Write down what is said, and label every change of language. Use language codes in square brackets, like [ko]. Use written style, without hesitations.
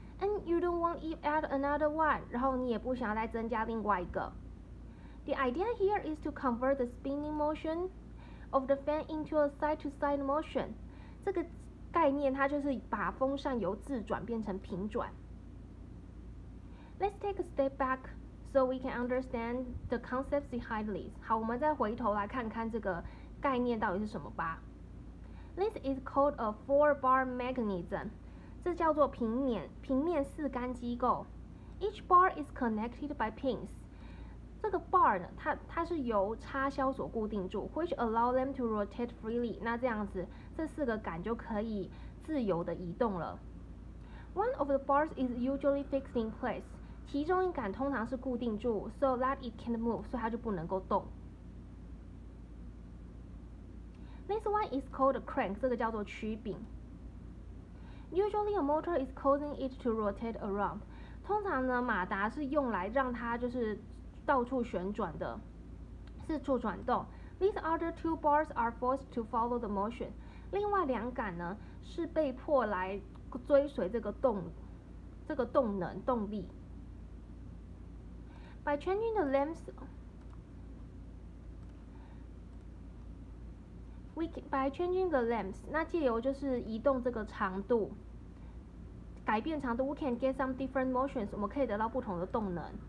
[en] And you don't want to add another one， [zh] 然后你也不想要再增加另外一个。 [en] The idea here is to convert the spinning motion of the fan into a side-to-side motion。 [zh] 这个概念它就是把风扇由自转变成平转。 [en] Let's take a step back so we can understand the concepts behind this。 [zh] 好，我们再回头来看看这个概念到底是什么吧。 [en] This is called a four-bar mechanism。 [zh] 这叫做平面四杆机构。 [en] Each bar is connected by pins。 [zh] 这个 bar 呢，它是由插销所固定住 [en] ，which allow them to rotate freely。 [zh] 那这样子，这四个杆就可以自由的移动了。 [en] One of the bars is usually fixed in place。 [zh] 其中一杆通常是固定住 ， [en] so that it can't move， [zh] 所以它就不能够动。 [en] This one is called a crank， [zh] 这个叫做曲柄。 [en] Usually a motor is causing it to rotate around。 [zh] 通常呢，马达是用来让它就是到处旋转的，四处转动。 [en] These other two bars are forced to follow the motion。 [zh] 另外两杆呢，是被迫来追随这个动力。 [en] By changing the lengths。 By changing the lengths， [zh] 那藉由就是移动这个长度，改变长度 ， [en] we can get some different motions， [zh] 我们可以得到不同的动能。